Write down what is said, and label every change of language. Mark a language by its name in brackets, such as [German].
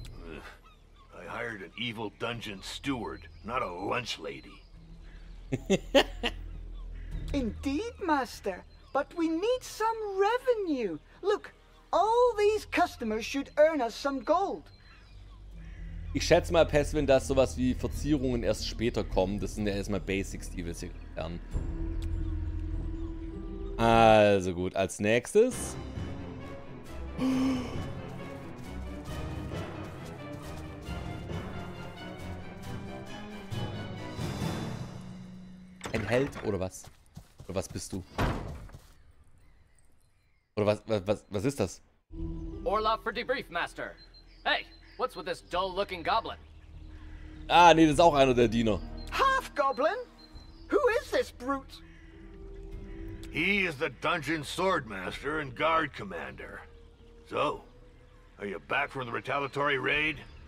[English] I hired an evil dungeon steward, not a lunch lady. Indeed, Master. But we need some revenue. Look, All these customers should earn us some gold. [German] Ich schätze mal, Peswin, dass sowas wie Verzierungen erst später kommen. Das sind ja erstmal Basics, die wir hier lernen. Also gut, als nächstes. Ein Held oder was? Oder was bist du? Oder was ist das? [English] Orlov for debrief, Master. Hey, what's with this dull-looking goblin? [German] Ah, nee, das ist auch einer der Diener. [English] Half goblin? Who is this brute? He is the dungeon swordmaster and guard commander. So, are you back from the retaliatory raid?